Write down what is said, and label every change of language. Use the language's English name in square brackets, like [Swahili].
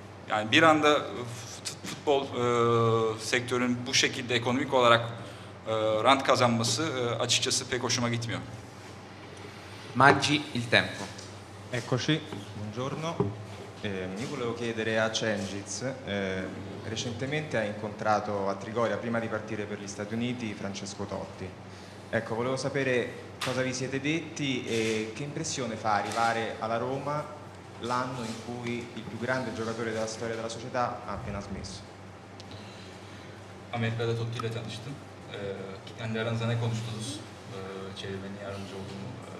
[Turkish] Yani bir anda futbol sektörünün bu şekilde ekonomik olarak rant kazanması açıkçası pek hoşuma gitmiyor. [Italian] Maggi il tempo. Eccoci, buongiorno. Io volevo chiedere a Cengiz, recentemente ha incontrato a Trigoria, prima di partire per gli Stati Uniti, Francesco Totti. Ecco, volevo sapere cosa vi siete detti e che impressione fa arrivare alla Roma l'anno in cui il più grande giocatore della storia della società ha appena smesso. [Turkish] Amerika'da Totti ile tanıştım. Kendi aranızda ne konuştunuz? Çevirmenin yardımcı olduğunu.